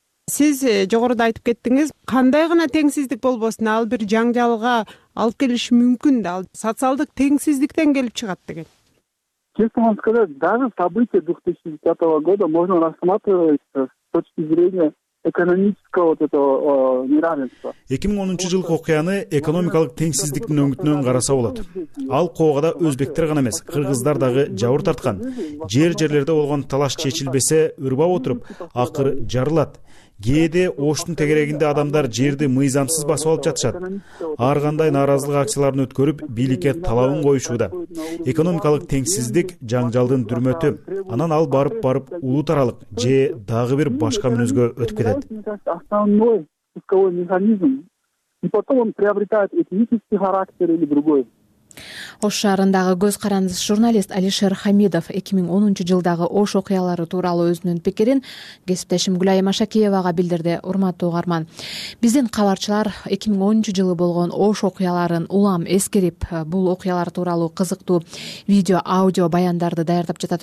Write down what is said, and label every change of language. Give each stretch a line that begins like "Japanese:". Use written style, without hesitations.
Kyrgyz: Сиз жогоруда айтып кеттиңиз, кандай гана теңсиздик болбосун, ал бир жаңжалга алып келиши мүмкүн да, ал социалдык теңсиздиктен келип чыгат деген.
Russian: Честно вам сказать, даже события 2010 года можно рассматривать с точки зрения экономического вот этого неравенства.
Kyrgyz: 2010 жылкы окуяны экономикалык теңсиздиктин өңүтүнөн караса болот. Ал коогада өзбектер гана эмес, кыргыздар дагы жабыр тарткан. Жер-жерлерде болгон талаш чечилбесе, ырбап отуруп, акыр жарылат. Кээде оштун тегерегинде адамдар жерди мыйзамсыз басып алып жатышат. Ар кандай нааразылык акцияларын өткөрүп, бийликке талабын коюшууда. Экономикалык теңсиздик жаңжалдын дүрмөтү. Анан ал барып-барып улут аралык же дагы бир башка мүнөзгө өтүп кетет.
Russian: Основной пусковой механизм. И потом он приобретает этнический характер или другой.
Kyrgyz: Ош шаарындагы көз каранды журналист Алишер Хамидов 2010 жылдагы Ош окуялары тууралуу өзүнүн пикирин кесиптешим Гүлайым Ашакеевага билдирди. Урматтуу угарман, биздин кабарчылар 2010 жылы болгон Ош окуяларын улам эскерип, бул окуялар тууралуу кызыктуу видео, аудио баяндарды даярдап жатат.